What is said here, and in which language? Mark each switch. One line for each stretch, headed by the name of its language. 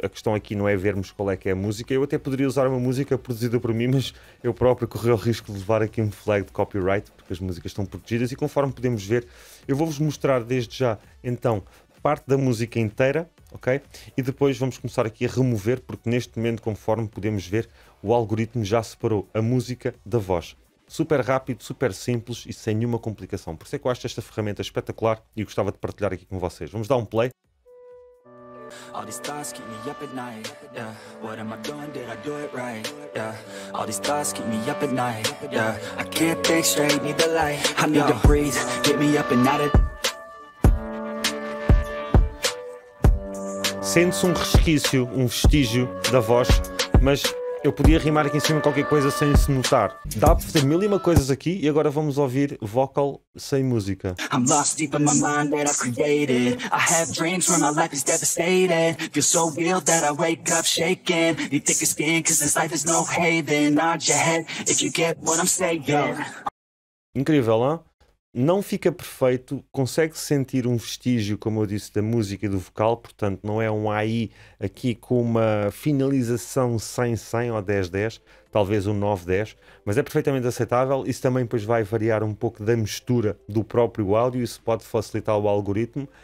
Portuguese: A questão aqui não é vermos qual é que é a música. Eu até poderia usar uma música produzida por mim, mas eu próprio corri o risco de levar aqui um flag de copyright, porque as músicas estão protegidas. E conforme podemos ver, eu vou-vos mostrar desde já, então, parte da música inteira, ok? E depois vamos começar aqui a remover, porque neste momento, conforme podemos ver, o algoritmo já separou a música da voz. Super rápido, super simples e sem nenhuma complicação. Por isso é que eu acho esta ferramenta espetacular e gostava de partilhar aqui com vocês. Vamos dar um play.
English: All these thoughts keep me up at night, yeah. What am I doing? Did I do it right? Yeah. All these thoughts keep me up at night, yeah. I can't think straight, need the light. I need to breathe, get me up and out of...
Portuguese: Sente-se um resquício, um vestígio da voz, mas eu podia rimar aqui em cima qualquer coisa sem se notar. Dá para fazer mil e uma coisas aqui e agora vamos ouvir vocal sem música.
English: I'm lost deep in my mind that I created. I have dreams where my life is devastated. Feel so real that I wake up shaking. You think it's skin, cause this life is no haven. Nod your head if you get what I'm saying.
Portuguese: Incrível, hein? Não fica perfeito, consegue sentir um vestígio, como eu disse, da música e do vocal, portanto não é um AI aqui com uma finalização 100-100 ou 10-10, talvez um 9-10, mas é perfeitamente aceitável. Isso também pois vai variar um pouco da mistura do próprio áudio, isso pode facilitar o algoritmo.